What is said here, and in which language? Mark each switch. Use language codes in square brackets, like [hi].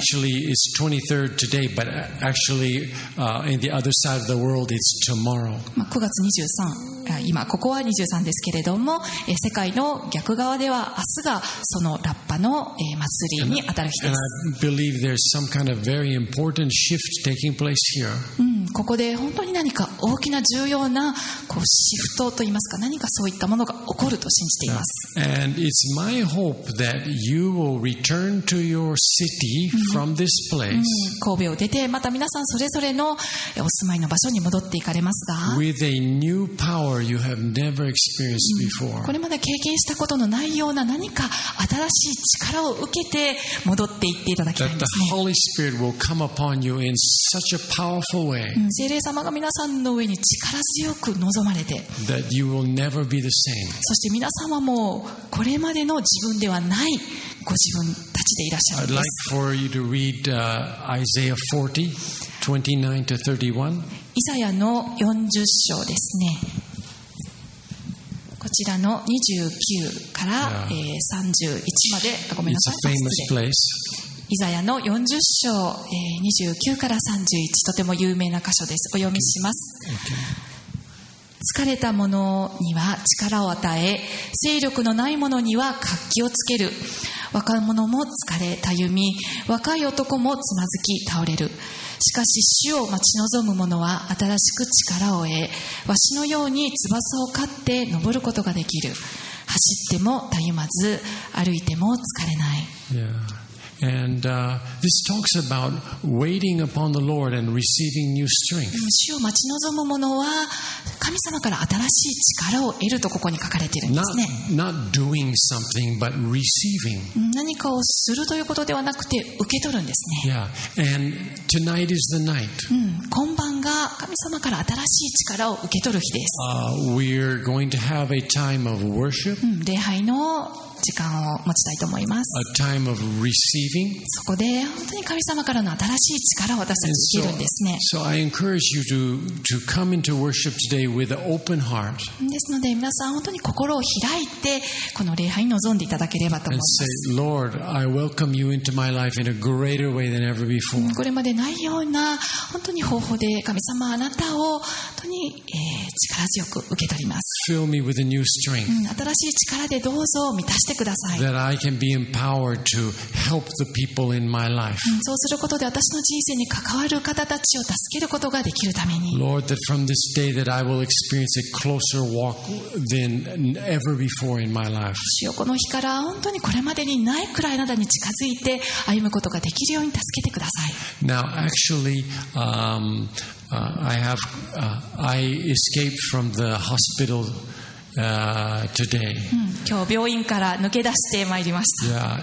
[en] Actually, it's 23rd today, but actually, in the other side of the world. [ja] 9月23、今ここは23ですけれども、世界の逆側では明日がそのラッパの祭りに当たる日です。 [en] And I believe there's some kind of very important shift taking place here. [ja] ここで本当に何か大きな重要なこうシフトといいますか、何かそういったものが起こると信じています。 [en] And it's my hope that you will return to your city from this place. [ja] 神戸を出て、また皆さんそれぞれのお住まいの場所に戻っていかれますが、 [en] With a new power you have never experienced before. [ja] これまで経験したことのないような何か新しい力を受けて戻っていっていただきたいんですね。 [en] That the Holy Spirit will come upon you in such a powerful way. [ja] 聖霊様が皆さんの上に力強く臨まれて、そして皆様もこれまでの自分ではないご自分たちでいらっしゃるんです。 [en] I'd like for you to read Isaiah 40:29-31. [ja] イザヤの40章ですね、こちらの29から、31まで、ごめんなさい、失礼。 [en] It's a famous place. [ja] イザヤの40章、29から31、とても有名な箇所です。お読みします。 [en] Okay. [ja] 疲れた者には力を与え、勢力のない者には活気をつける。若者も疲れたゆみ、若い男もつまずき倒れる。しかし主を待ち望む者は新しく力を得、わしのように翼を飼って登ることができる。走ってもたゆまず、歩いても疲れない。 [en] Yeah. And this talks about waiting upon the Lord and receiving new strength. [ja] 主を待ち望む者は神様から新しい力を得るとここに書かれているんですね。 [en] Not doing something, but receiving. [ja] 何かをするということではなくて受け取るんですね。 [en] Yeah. And tonight is the night. [ja] 今晩が神様から新しい力を受け取る日です。 [en] We're going to have a time of worship. [ja] 礼拝の時間を持ちたいと思います。 [en] A time of receiving. [ja] そこで本当に神様からの新しい力を私たち受けるんですね。 [en] So I encourage you to come into worship today with an open heart. [ja] ですので皆さん本当に心を開いてこの礼拝に臨んでいただければと思います。 [en] And say, Lord, I welcome you into my life in a greater way than ever before. [ja] これまでないような本当に方法で神様あなたを本当に、力強く受け取ります。 [en] Fill me with a new strength. [ja] 新しい力でどうぞ満たして [en] That I can be empowered to help the people in my life. [ja] そうすることで私の人生に関わる方たちを助けることができるために。 [en] Lord, that from this day that I will experience a closer walk than ever before in my life. [ja] 主よ、この日から本当にこれまでにないくらいあなたに近づいて歩むことができるように助けてください。 [en] Now, actually, I escaped from the hospital. Today. [ja] 今日病院から抜け出してまいりました。